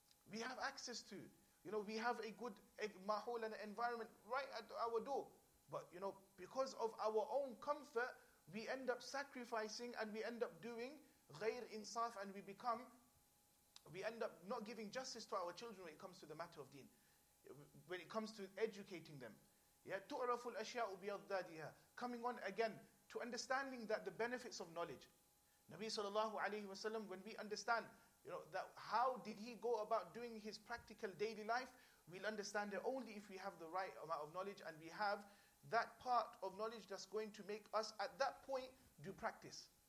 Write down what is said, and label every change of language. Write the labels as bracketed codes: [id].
[en] We have access to, you know, we have a good mahol and environment right at our door. But, you know, because of our own comfort, we end up sacrificing and we end up doing ghair insaf, and we end up not giving justice to our children when it comes to the matter of deen. When it comes to educating them. [ar] Yeah, تُعْرَفُ الْأَشْيَاءُ بِيَضَّادِهَا. [en] Coming on again, to understanding that the benefits of knowledge. Nabi sallallahu alayhi wa sallam, when we understand, you know, that how did he go about doing his practical daily life, we'll understand it only if we have the right amount of knowledge and we have that part of knowledge that's going to make us at that point do practice.